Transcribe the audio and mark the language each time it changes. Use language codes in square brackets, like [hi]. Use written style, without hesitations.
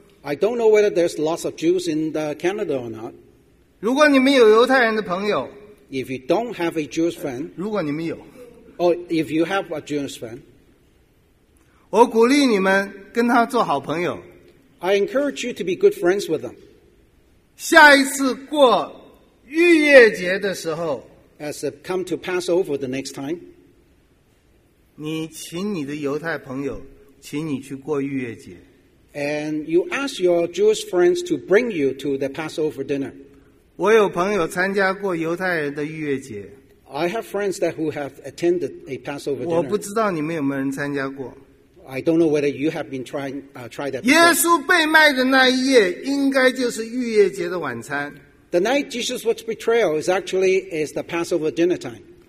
[en] I don't know whether there's lots of Jews in the Canada or not. [zh] 如果你们有犹太人的朋友， [en] if you don't have a Jewish friend, [zh] 如果你们有， [en] or if you have a Jewish friend, [zh] 我鼓励你们跟他做好朋友。 [en] I encourage you to be good friends with them. [zh] 下一次过逾越节的时候, [en] as it come to Passover the next time, [zh] 你请你的犹太朋友, 请你去过逾越节。 [en] And you ask your Jewish friends to bring you to the Passover dinner. [zh] 我有朋友参加过犹太人的逾越节。 [en] I have friends that who have attended a Passover dinner. [zh] 我不知道你们有没有人参加过。 [en] I don't know whether you have been tried that. [zh] 耶稣被卖的那一夜应该就是逾越节的晚餐。 [en] The night Jesus was betrayed is actually the Passover dinner time.